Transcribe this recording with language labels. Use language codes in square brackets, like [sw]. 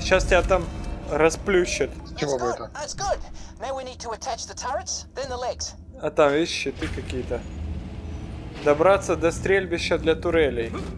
[ru] Сейчас тебя там расплющат. Чего бы это? [en] That's good. Now we need to attach the turrets, then the legs. [ru] А там есть щиты какие-то. Добраться до стрельбища для турелей.